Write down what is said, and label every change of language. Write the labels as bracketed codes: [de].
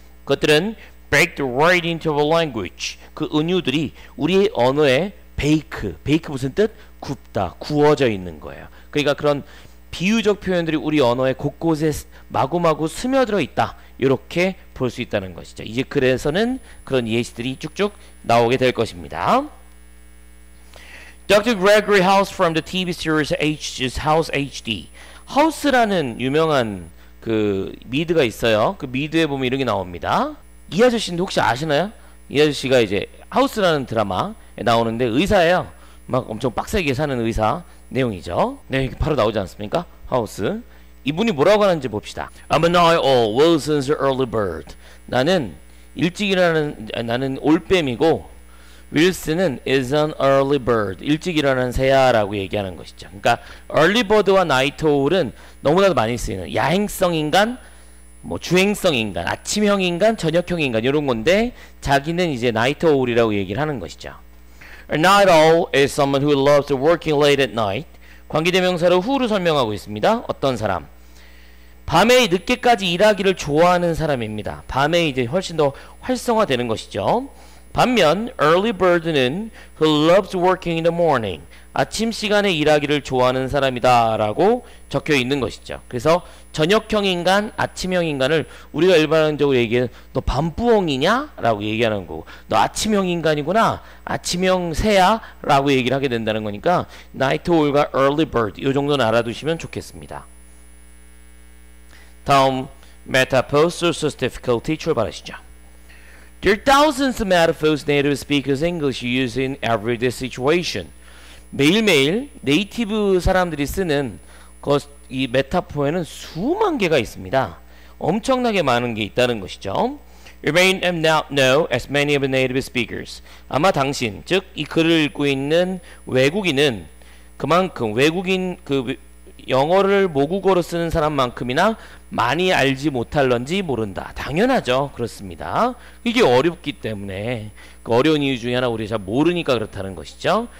[ko] 그것들은 [en] baked right into our language. [ko] 그 은유들이 우리의 언어에 bake. bake 무슨 뜻? 굽다, 구워져 있는 거예요. 그러니까 그런 비유적 표현들이 우리 언어에 곳곳에 마구마구 스며들어 있다. 이렇게 볼 수 있다는 것이죠. 이제 그래서는 그런 예시들이 쭉쭉 나오게 될 것입니다. [en] Dr. Gregory House from the TV series H's House HD. [ko] 하우스라는 유명한 그 미드가 있어요. 그 미드에 보면 이런 게 나옵니다. 이 아저씨인데 혹시 아시나요? 이 아저씨가 이제 하우스라는 드라마에 나오는데 의사예요. 막 엄청 빡세게 사는 의사 내용이죠. 네, 이게 바로 나오지 않습니까? 하우스. 이분이 뭐라고 하는지 봅시다. [en] I'm a night-owl, Wilson's early bird. [ko] 나는 일찍 일어나는, 나는 올빼미고 윌슨은 [en] is an early bird, [ko] 일찍 일어나는 새야라고 얘기하는 것이죠. 그러니까 early bird와 night-owl은 너무나도 많이 쓰이는 야행성 인간, 뭐 주행성 인간, 아침형 인간, 저녁형 인간 이런 건데 자기는 이제 night-owl이라고 얘기를 하는 것이죠. [en] A night owl is someone who loves working late at night. [ko] 관계대명사로 who를 설명하고 있습니다. 어떤 사람. 밤에 늦게까지 일하기를 좋아하는 사람입니다. 밤에 이제 훨씬 더 활성화되는 것이죠. 반면 [en] early bird는 who loves working in the morning. [ko] 아침 시간에 일하기를 좋아하는 사람이다 라고 적혀 있는 것이죠. 그래서 저녁형 인간, 아침형 인간을 우리가 일반적으로 얘기하는 너 밤부엉이냐? 라고 얘기하는 거고 너 아침형 인간이구나? 아침형 새야? 라고 얘기를 하게 된다는 거니까 night owl과 early bird 이 정도는 알아두시면 좋겠습니다. 다음 [en] metaphor sources difficulty [ko] 출발하시죠. [en] There are thousands of metaphors native speakers English use in everyday situation. [ko] 매일매일 네이티브 사람들이 쓰는 이 메타포에는 수만 개가 있습니다. 엄청나게 많은 게 있다는 것이죠. [en] You may not know as many of the native speakers. [ko] 아마 당신, 즉 이 글을 읽고 있는 외국인은 그만큼 외국인 그 영어를 모국어로 쓰는 사람만큼이나 많이 알지 못할런지 모른다. 당연하죠. 그렇습니다. 이게 어렵기 때문에 그 어려운 이유 중에 하나 우리가 잘 모르니까 그렇다는 것이죠.